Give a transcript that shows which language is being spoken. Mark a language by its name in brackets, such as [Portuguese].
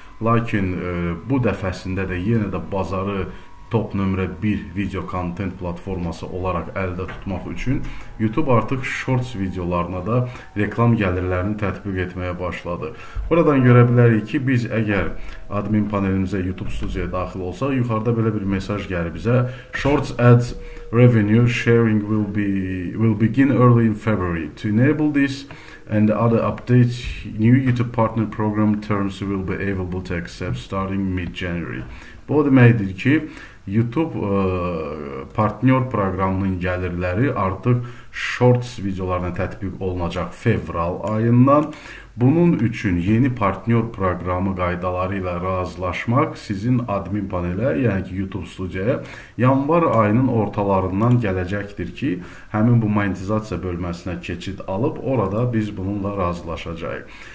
[Azerbaijani] Lakin bu dəfəsində də yenə də bazarı top nömrə 1 video content platforması olaraq əldə tutmaq üçün YouTube artıq shorts videolarına da reklam gəlirlərini tətbiq etməyə başladı. Buradan görə bilərik ki, biz əgər admin panelimizə YouTube studiyaya daxil olsaq, yuxarıda belə bir mesaj gəlir bizə. [English] Shorts ads revenue sharing will begin early in February. To enable this and other updates, new YouTube partner program terms will be available to accept starting mid-January. [Azerbaijani] Bu deməkdir ki, YouTube partner proqramının gəlirləri artıq shorts videolarına tətbiq olunacaq fevral ayından. Bunun üçün yeni partner proqramı qaydaları ilə razılaşmaq sizin admin panelə, yəni ki YouTube studiyaya yanvar ayının ortalarından gələcəkdir ki, həmin bu monetizasiya bölməsinə keçid alıb orada biz bununla razılaşacağıq.